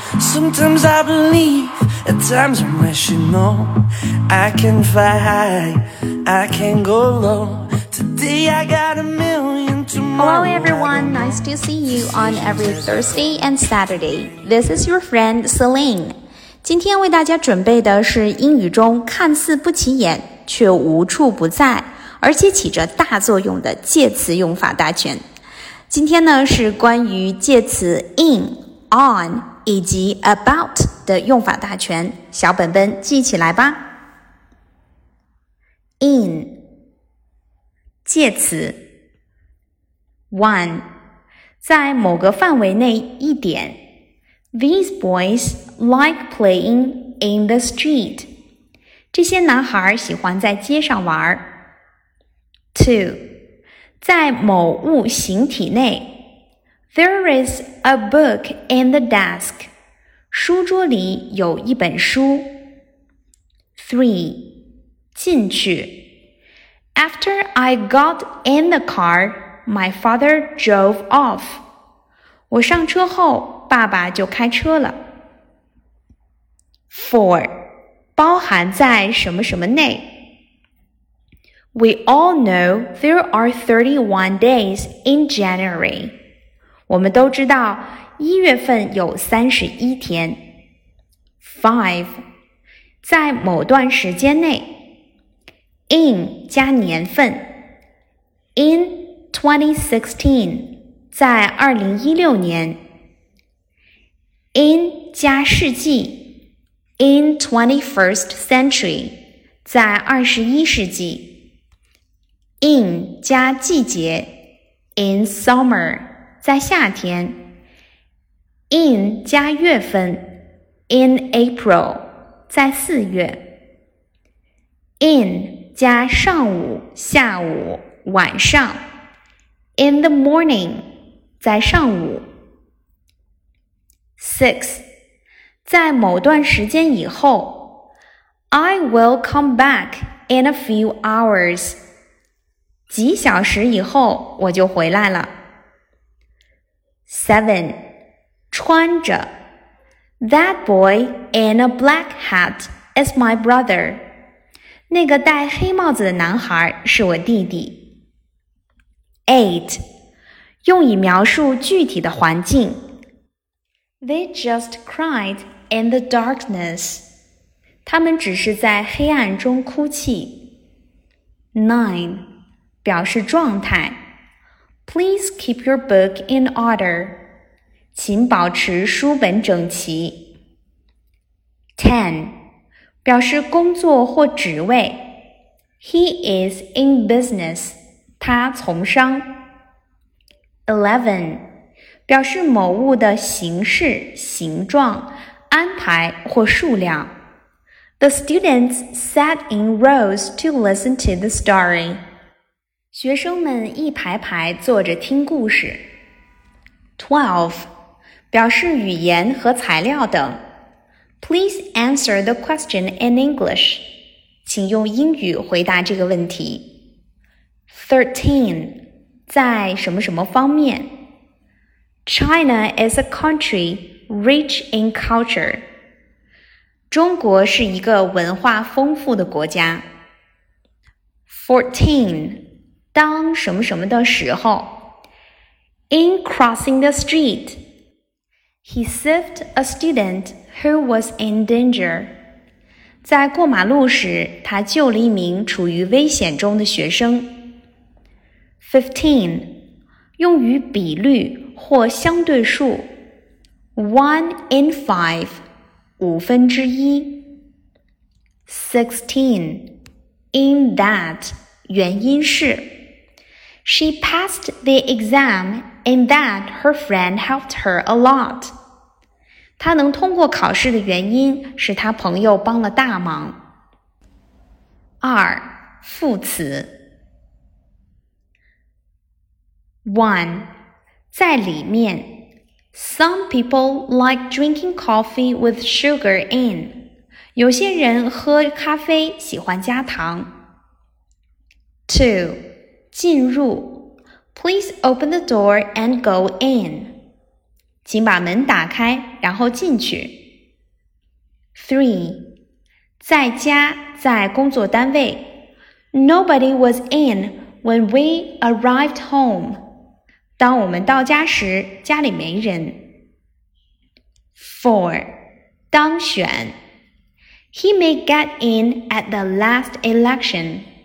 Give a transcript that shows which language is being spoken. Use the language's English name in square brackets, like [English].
[English] Sometimes I believe, at times I'm rational. I can fly high, I can go low. Today I got a million, tomorrow. Hello everyone, nice to see you on every Thursday and Saturday. This is your friend Celine. [Chinese] 今天为大家准备的是英语中看似不起眼却无处不在而且起着大作用的介词用法大全。今天呢是关于介词 in, on 以及 about 的用法大全，小本本记起来吧。 in 介词 1. 在某个范围内一点。 [English] These boys like playing in the street. [Chinese] 这些男孩喜欢在街上玩。 2. 在某物形体内 [English] There is a book in the desk. [Chinese] 书桌里有一本书。3. 进去 [English] After I got in the car, my father drove off. [Chinese] 我上车后爸爸就开车了。 4. 包含在什么什么内 [English] We all know there are 31 days in January. [Chinese] 我们都知道一月份有31天。 5. 在某段时间内。 In 加年份。In 2016, 在2016年。 In 加世纪。 [English] In 21st century, [Chinese] 在21世纪。 In 加季节 ， [English] in summer [Chinese] 在夏天 ，in 加月份 ， [English] in April [Chinese] 在四月 ，in 加上午、下午、晚上 ， [English] in the morning [Chinese] 在上午。 6. 在某段时间以后 [English] ，I will come back in a few hours. [Chinese] 几小时以后我就回来了。7. 穿着 [English] That boy in a black hat is my brother. [Chinese] 那个戴黑帽子的男孩是我弟弟。 8. 用以描述具体的环境 [English] They just cried in the darkness. [Chinese] 他们只是在黑暗中哭泣。 9. 表示状态。 [English] Please keep your book in order. [Chinese] 请保持书本整齐。10. 表示工作或职位。 [English] He is in business. [Chinese] 他从商。11. 表示某物的形式、形状、安排或数量。 [English] The students sat in rows to listen to the story. [Chinese] 学生们一排排坐着听故事。 12. 表示语言和材料等。 [English] Please answer the question in English. [Chinese] 请用英语回答这个问题。 13. 在什么什么方面。 [English] China is a country rich in culture. [Chinese] 中国是一个文化丰富的国家。14. 当什么什么的时候 [English] In crossing the street, he saved a student who was in danger. [Chinese] 在过马路时他救了一名处于危险中的学生。 15. 用于比率或相对数 [English] 1 in 5, [Chinese] 五分之一。 16. [English] In that, [Chinese] 原因是 [English] She passed the exam in that her friend helped her a lot. [Chinese] 她能通过考试的原因是她朋友帮了大忙。 2. 副词 1. 在里面 [English] Some people like drinking coffee with sugar in. [Chinese] 有些人喝咖啡喜欢加糖。2. 进入 [English] Please open the door and go in. [Chinese] 请把门打开然后进去。3. 在家，在工作单位。 [English] Nobody was in when we arrived home. [Chinese] 当我们到家时，家里没人。 4. 当选。 [English] He may get in at the last election.